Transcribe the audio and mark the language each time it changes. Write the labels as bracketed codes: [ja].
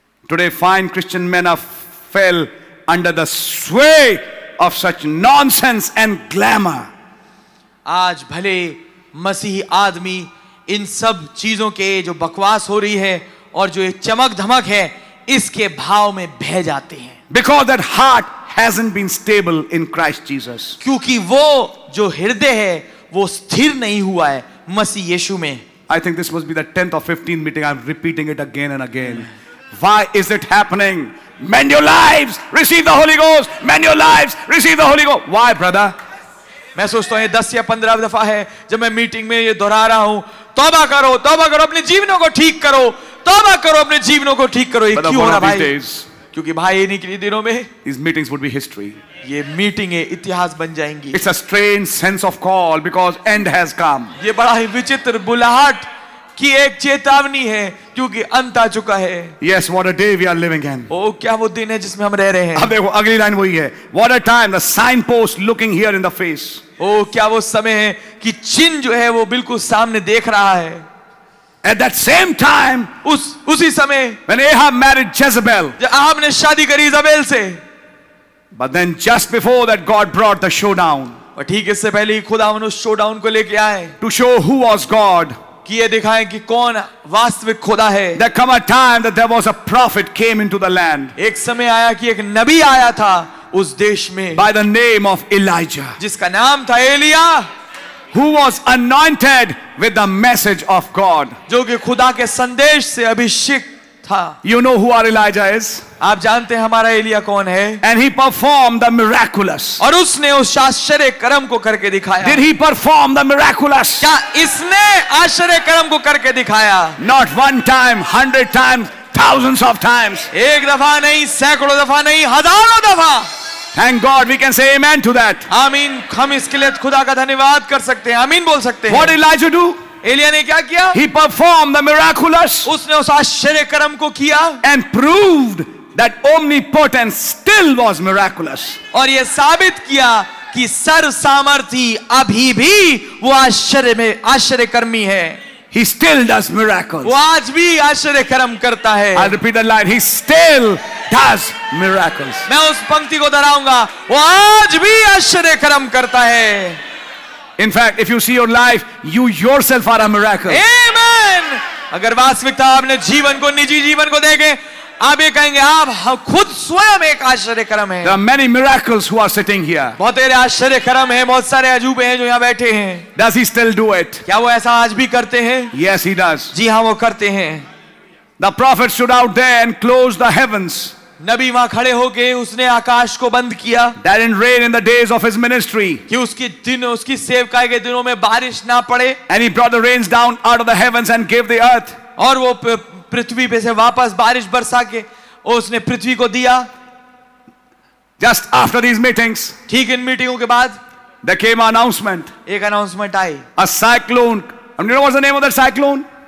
[en] today fine Christian men have fell under the sway of such nonsense and glamour. [hi] आज भले मसीही आदमी इन सब चीजों के जो बकवास हो रही है और जो ये चमक धमक है इसके भाव में बह जाते हैं. [en] Because that heart hasn't been stable in Christ Jesus. [hi] क्योंकि वो जो हृदय है वो स्थिर नहीं हुआ है मसीह यीशु में. [en] I think this must be the 10th or 15th meeting. I'm repeating it again and again. Why is it happening? Mend your lives. Receive the Holy Ghost. Mend your lives. Receive the Holy Ghost. Why, brother? [hi] मैं सोचता हूँ ये 10 या 15 दफा है जब मैं meeting में ये दोहरा रहा हूँ. तौबा करो अपने जीवनों को ठीक करो. तौबा करो अपने जीवनों को ठीक करो. ये क्यों हो रहा भाई? क्योंकि भाई इन्हीं के दिनों में [en] these meetings would be history. [hi] ये मीटिंग है इतिहास बन जाएंगी. [en] It's a strange sense of call because end has come. [hi] ये बड़ा ही विचित्र बुलाहट की एक चेतावनी है क्योंकि अंत आ चुका है. [en] Yes, what a day we are living in. [hi] ओ क्या वो दिन है जिसमें हम रह रहे हैं. अब देखो अगली लाइन वही है. [en] What a time, the signpost looking here in the face. [hi] ओ क्या वो समय है कि चिन्ह जो है वो बिल्कुल सामने देख रहा है. [en] At that same time, [hi] उसी समय, [en] when Ahab married Jezebel, [hi] Ahab ने शादी करी इजाबेल से. [en] But then just before that God brought the showdown. [hi] और ठीक इससे पहले ही खुदा उन्हें शोडाउन को लेके आए. [en] To show who was God. [hi] कि ये दिखाए कि कौन वास्तविक खुदा है. [en] There came a time that there was a prophet came into the land. [hi] एक समय आया कि एक नबी आया था उस देश में [en] by the name of Elijah, [hi] जिसका नाम था Elia, [en] who was anointed with the message of God, [hi] जो कि खुदा के संदेश से अभिषिक्त था. [en] You know who our Elijah is? [hi] आप जानते हैं हमारा एलिया कौन है? [en] And he performed the miraculous. [hi] और उसने उस आश्चर्य कर्म को करके दिखाया. [en] Did he perform the miraculous? [hi] क्या इसने आश्चर्य कर्म को करके दिखाया? [en] Not one time, 100 times, thousands of times. [hi] एक दफा नहीं, सैकड़ों दफा नहीं, हजारों दफा. [en] Thank God, we can say amen to that. [hi] आमीन. हम इसके लिए खुदा का धन्यवाद कर सकते हैं. आमीन बोल सकते हैं. [en] What did Elijah do? [hi] Elia ने क्या किया? [en] He performed the miraculous. [hi] उसने उस आश्चर्य कर्म को किया. [en] And proved that omnipotence still was miraculous. [hi] और ये साबित किया कि सर सामर्थ्य अभी भी वो आश्चर्य में आश्चर्य कर्मी है. [en] He still does miracles. [hi] वो आज भी आश्चर्य कर्म करता है. [en] I'll repeat the line. He still does miracles. [hi] मैं उस पंक्ति को दोहराऊंगा. वो आज भी आश्चर्य कर्म करता है. [en] In fact, if you see your life, you yourself are a miracle. Amen. [hi] अगर वास्तविकता आपने जीवन को निजी जीवन को देखे, आप ये कहेंगे आप खुद स्वयं एक आश्चर्यकर्म है. [en] There are many miracles who are sitting here. [hi] बहुत सारे आश्चर्यकर्म हैं, बहुत सारे अजूबे हैं जो यहाँ बैठे हैं. [en] Does he still do it? [hi] क्या वो ऐसा आज भी करते हैं? [en] Yes, he does. [hi] जी हाँ, वो करते हैं. [en] The prophet stood out there and closed the heavens. [hi] नबी वहां खड़े होके उसने आकाश को बंद किया. [en] That didn't rain in the days of his ministry. [hi] कि उसके दिनों, उसकी सेवकाई के दिनों में बारिश ना पड़े. [en] And he brought the rains down out of the heavens and gave the earth. [hi] और वो पृथ्वी पे से वापस बारिश बरसा के उसने पृथ्वी को दिया. [en] Just after these meetings, [hi] ठीक इन मीटिंगों के बाद, [en] there came an announcement. [hi] एक announcement I. [en] A cyclone. And you know what's the name of that cyclone?